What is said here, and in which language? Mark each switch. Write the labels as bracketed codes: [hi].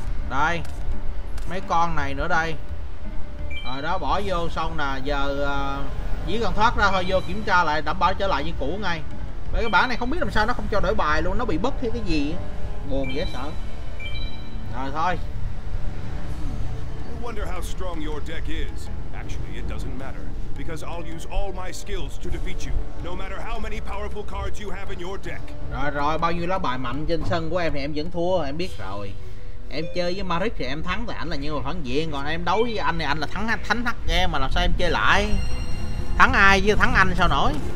[vi] Đây mấy con này nữa đây. Rồi đó bỏ vô xong nè, giờ chỉ cần thoát ra thôi, vô kiểm tra lại đảm bảo trở lại như cũ ngay. Bởi cái bản này không biết làm sao nó không cho đổi bài luôn, nó bị bất hay cái gì, buồn dễ sợ. Rồi thôi. [en] I wonder how strong your deck is. Actually, it doesn't matter because I'll use all my skills to defeat you, no matter how many powerful cards you have in your deck. [vi] Rồi rồi, bao nhiêu lá bài mạnh trên sân của em thì em vẫn thua, em biết rồi. Em chơi với Maric thì em thắng, tại anh là nhân vật phản diện. Còn em đấu với anh thì anh là thắng thánh thắt game, mà làm sao em chơi lại. Thắng ai chứ thắng anh sao nổi.